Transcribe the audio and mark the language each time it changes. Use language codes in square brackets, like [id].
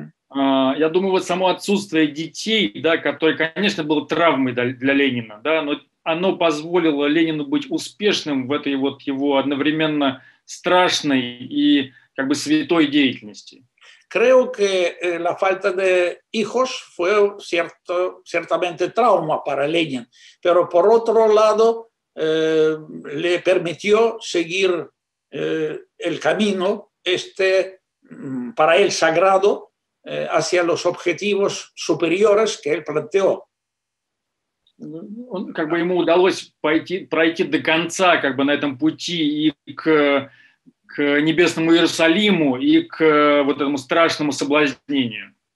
[ru] Я думаю, вот само отсутствие детей, да, которое, конечно, было травмой для Ленина, да, но оно позволило Ленину быть успешным в этой вот его одновременно страшной и как бы святой деятельности. [es] Creo que la falta de hijos fue ciertamente trauma para Lenin, pero por otro lado le permitió seguir el camino este para él sagrado hacia los objetivos superiores que él planteó. [ru] Он, как бы ему удалось пройти до конца как бы на этом пути и к небесному Иерусалиму и к вот этому страшному соблазнению.